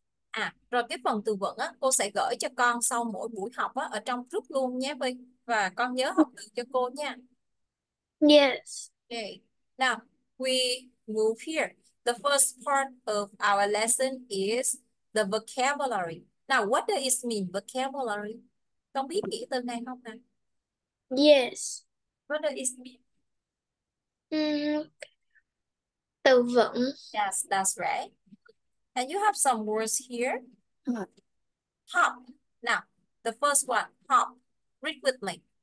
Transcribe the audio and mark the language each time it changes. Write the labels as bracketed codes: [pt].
[vi] À, rồi cái phần từ vựng á, cô sẽ gửi cho con sau mỗi buổi học á, ở trong group luôn nhé Vy. Và con nhớ học từ cho cô nha. [en] Yes. Okay. Now, we move here. The first part of our lesson is the vocabulary. Now, what does it mean, vocabulary? [vi] Con biết nghĩa từ này không nè? [en] Yes. What does it mean? [vi] Từ vựng. [en] Yes, that's right. And you have some words here. Hop. Now, the first one, hop. Read with me.